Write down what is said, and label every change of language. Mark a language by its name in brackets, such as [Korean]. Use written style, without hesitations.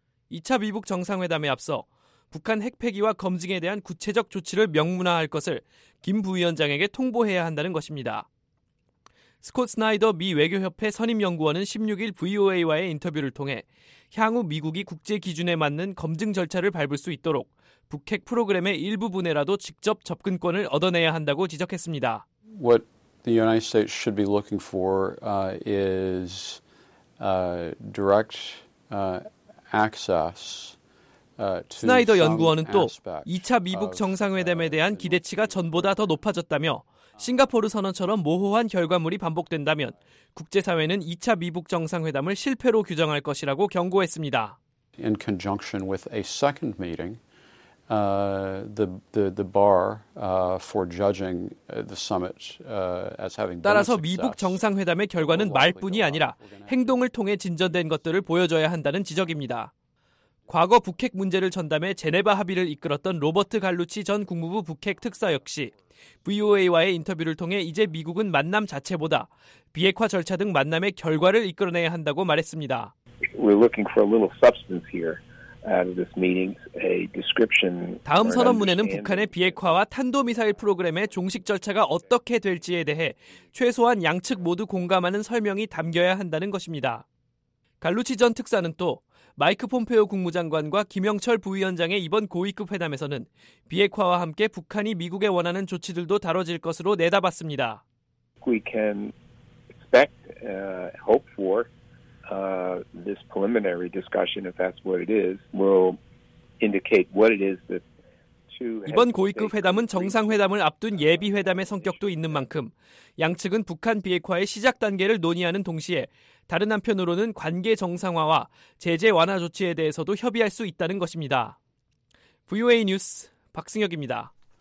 [Korean] 2차 미북 정상회담에 앞서 북한 핵폐기와 검증에 대한 구체적 조치를 명문화할 것을 김 부위원장에게 통보해야 한다는 것입니다. 스콧 스나이더 미 외교협회 선임연구원은 16일 VOA와의 인터뷰를 통해 향후 미국이 국제 기준에 맞는 검증 절차를 밟을 수 있도록 북핵 프로그램의 일부분에라도 직접 접근권을 얻어내야 한다고 지적했습니다. [English] What the United States should be looking for is direct access. [Korean] 스나이더 연구원은 또 2차 미북 정상회담에 대한 기대치가 전보다 더 높아졌다며 싱가포르 선언처럼 모호한 결과물이 반복된다면 국제사회는 2차 미북 정상회담을 실패로 규정할 것이라고 경고했습니다. [English] In conjunction with a second meeting, the bar for judging the summit as having [Korean] 따라서 미북 정상회담의 결과는 말뿐이 아니라 행동을 통해 진전된 것들을 보여줘야 한다는 지적입니다. 과거 북핵 문제를 전담해 제네바 합의를 이끌었던 로버트 갈루치 전 국무부 북핵 특사 역시 VOA와의 인터뷰를 통해 이제 미국은 만남 자체보다 비핵화 절차 등 만남의 결과를 이끌어내야 한다고 말했습니다. [English] We're looking for a little substance here out of this meeting, a description. [Korean] 다음 선언문에는 북한의 비핵화와 탄도미사일 프로그램의 종식 절차가 어떻게 될지에 대해 최소한 양측 모두 공감하는 설명이 담겨야 한다는 것입니다. 갈루치 전 특사는 또 마이크 폼페오 국무장관과 김영철 부위원장의 이번 고위급 회담에서는 비핵화와 함께 북한이 미국에 원하는 조치들도 다뤄질 것으로 내다봤습니다. [English] We can expect, hope for this preliminary discussion, if that's what it is, will indicate what it is that [Korean] 이번 고위급 회담은 정상회담을 앞둔 예비회담의 성격도 있는 만큼 양측은 북한 비핵화의 시작 단계를 논의하는 동시에 다른 한편으로는 관계 정상화와 제재 완화 조치에 대해서도 협의할 수 있다는 것입니다. VOA 뉴스 박승혁입니다.